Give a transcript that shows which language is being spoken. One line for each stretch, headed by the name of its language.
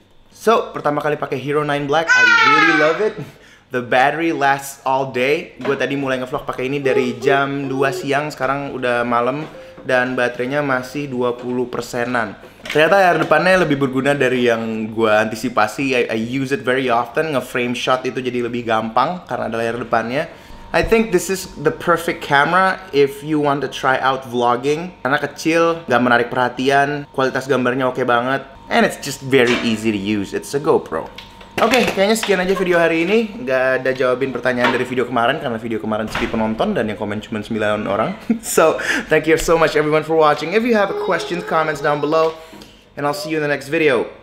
English: So
Indonesian: pertama kali pakai
English: Hero 9 Black, I really love it. The battery lasts all day.
Indonesian: Gue tadi mulai ngevlog pakai ini dari jam 2 siang, sekarang udah malam dan baterainya masih 20%-an. Ternyata air depannya lebih berguna dari yang gue antisipasi.
English: I use it very often,
Indonesian: nge-frame shot itu jadi lebih gampang karena ada layar depannya.
English: I think this is the perfect camera if you want to try out vlogging.
Indonesian: Karena kecil, gak menarik perhatian, kualitas gambarnya oke banget.
English: And it's just very easy to use, it's a GoPro.
Indonesian: Oke, kayaknya sekian aja video hari ini. Gak ada jawabin pertanyaan dari video kemarin karena video kemarin sepi penonton dan yang komen cuma 9 orang.
English: So, thank you so much everyone for watching. If you have a question, comments down below. And I'll see you in the next video.